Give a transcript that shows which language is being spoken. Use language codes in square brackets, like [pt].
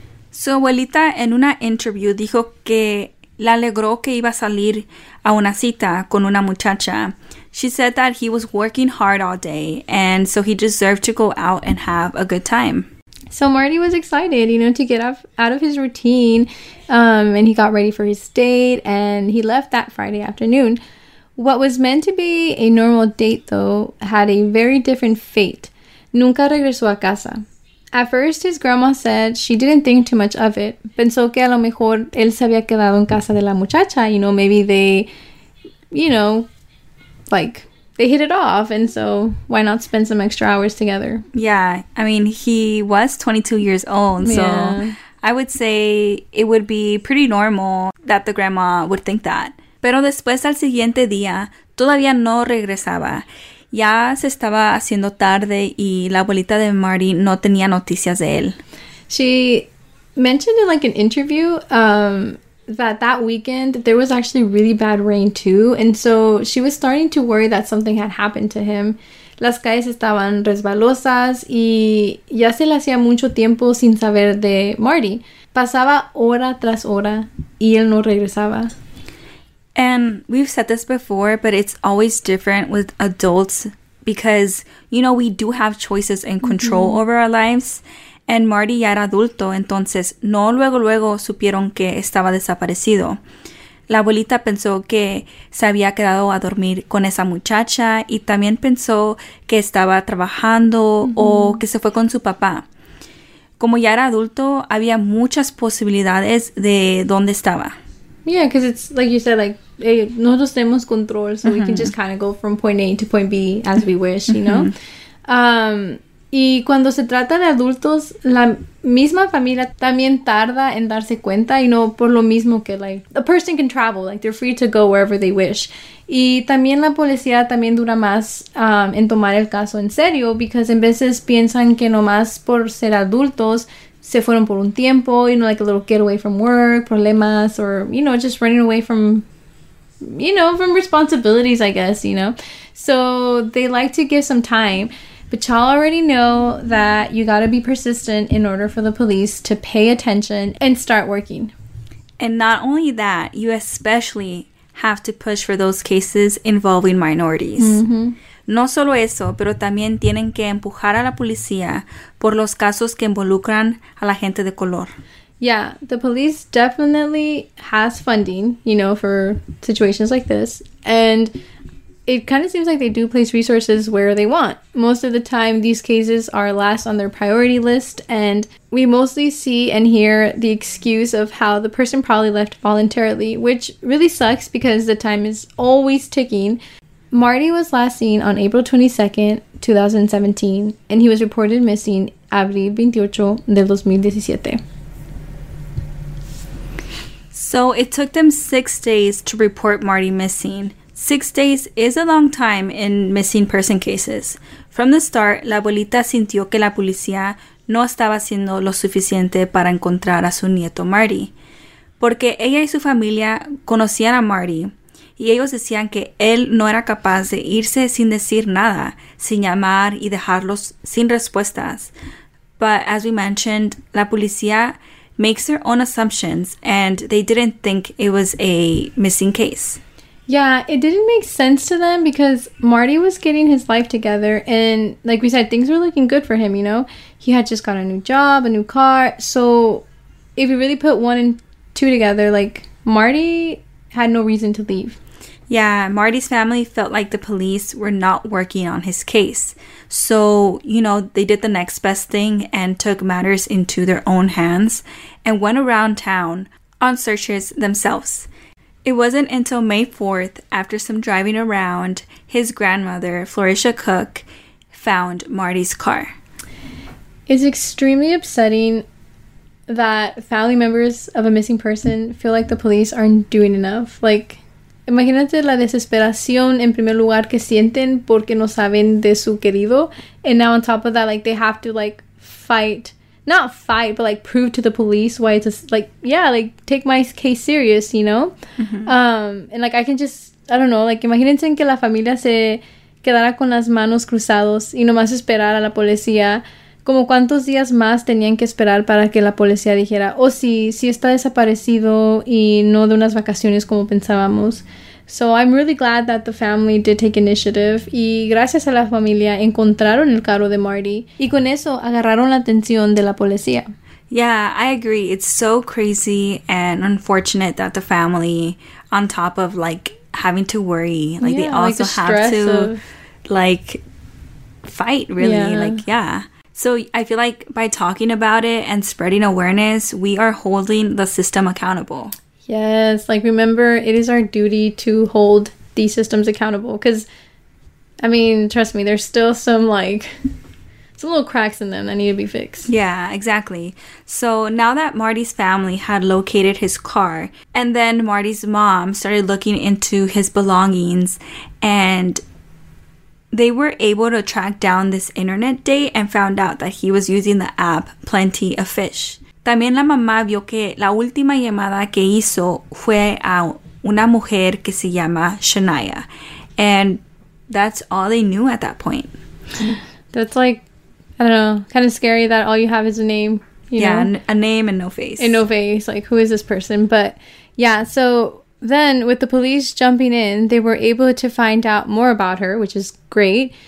[es] Su abuelita, en una interview, dijo que le alegró que iba a salir a una cita con una muchacha. [en] She said that he was working hard all day, and so he deserved to go out and have a good time. So Marty was excited, you know, to get out of his routine, and he got ready for his date, and he left that Friday afternoon. What was meant to be a normal date, though, had a very different fate. [es] Nunca regresó a casa. [en] At first, his grandma said she didn't think too much of it. [es] Pensó que a lo mejor él se había quedado en casa de la muchacha. [en] You know, maybe they, you know, like, they hit it off. And so, why not spend some extra hours together? Yeah. I mean, he was 22 years old. Yeah. So, I would say it would be pretty normal that the grandma would think that. [es] Pero después, al siguiente día, todavía no regresaba. Ya se estaba haciendo tarde y la abuelita de Marty no tenía noticias de él. [en] She mentioned in like an interview that weekend there was actually really bad rain too. And so she was starting to worry that something had happened to him. [es] Las calles estaban resbalosas y ya se le hacía mucho tiempo sin saber de Marty. Pasaba hora tras hora y él no regresaba. [en] And we've said this before, but it's always different with adults because, you know, we do have choices and control mm-hmm. over our lives. [es] And Marty ya era adulto, entonces no luego supieron que estaba desaparecido. La abuelita pensó que se había quedado a dormir con esa muchacha y también pensó que estaba trabajando mm-hmm. o que se fue con su papá. Como ya era adulto, había muchas posibilidades de dónde estaba. [en] Yeah, because it's like you said, like, hey, [es] nosotros tenemos control, [en] so mm-hmm. we can just kind of go from point A to point B as we wish, you know? Mm-hmm. Y cuando se trata de adultos, la misma familia también tarda en darse cuenta, you know, por lo mismo que, like, a person can travel, like, they're free to go wherever they wish. Y también la policía también dura más en tomar el caso en serio, because en veces piensan que nomás por ser adultos, se fueron por un tiempo, you know, like a little getaway from work, problemas, or, you know, just running away from, you know, from responsibilities, I guess, you know. So they like to give some time. But y'all already know that you gotta be persistent in order for the police to pay attention and start working. And not only that, you especially have to push for those cases involving minorities. Mm-hmm. [es] No solo eso, pero también tienen que empujar a la policía por los casos que involucran a la gente de color. [en] Yeah, the police definitely has funding, you know, for situations like this. And it kind of seems like they do place resources where they want. Most of the time, these cases are last on their priority list. And we mostly see and hear the excuse of how the person probably left voluntarily, which really sucks because the time is always ticking. Marty was last seen on April 22nd, 2017, and he was reported missing April 28, 2017. So it took them 6 days to report Marty missing. 6 days is a long time in missing person cases. From the start, [es] la abuelita sintió que la policía no estaba haciendo lo suficiente para encontrar a su nieto Marty, porque ella y su familia conocían a Marty. Y ellos decían que él no era capaz de irse sin decir nada, sin llamar y dejarlos sin respuestas. [en] But as we mentioned, la policía makes their own assumptions and they didn't think it was a missing case. Yeah, it didn't make sense to them because Marty was getting his life together and like we said, things were looking good for him, you know? He had just got a new job, a new car. So if you really put one and two together, like Marty had no reason to leave. Yeah, Marty's family felt like the police were not working on his case. So, you know, they did the next best thing and took matters into their own hands and went around town on searches themselves. It wasn't until May 4th, after some driving around, his grandmother, Florisha Cook, found Marty's car. It's extremely upsetting that family members of a missing person feel like the police aren't doing enough. [es] Like, imagínate la desesperación en primer lugar que sienten porque no saben de su querido. [en] And now on top of that, like, they have to, like, fight. Not fight, but, like, prove to the police why it's, like, take my case serious, you know? Mm-hmm. And, like, I can just, I don't know, like, [es] imagínense que la familia se quedara con las manos cruzados y nomás esperar a la policía. ¿Como cuántos días más tenían que esperar para que la policía dijera, oh, sí, sí está desaparecido y no de unas vacaciones como pensábamos? [en] So I'm really glad that the family did take initiative. [es] Y gracias a la familia, encontraron el carro de Marty. Y con eso, agarraron la atención de la policía. [en] Yeah, I agree. It's so crazy and unfortunate that the family, on top of, like, having to worry, like, yeah, they also like the have to, like, fight, really. Yeah. Like, yeah. So I feel like by talking about it and spreading awareness, we are holding the system accountable. Yes, like, remember, it is our duty to hold these systems accountable. Because, I mean, trust me, there's still some, like, some little cracks in them that need to be fixed. Yeah, exactly. So now that Marty's family had located his car, and then Marty's mom started looking into his belongings, and they were able to track down this internet date and found out that he was using the app Plenty of Fish. [es] También la mamá vio que la última llamada que hizo fue a una mujer que se llama Shania. [en] And that's all they knew at that point. That's like, I don't know, kind of scary that all you have is a name. Yeah, a name and no face. And no face. Like, who is this person? But yeah, so then with the police jumping in, they were able to find out more about her, which is great.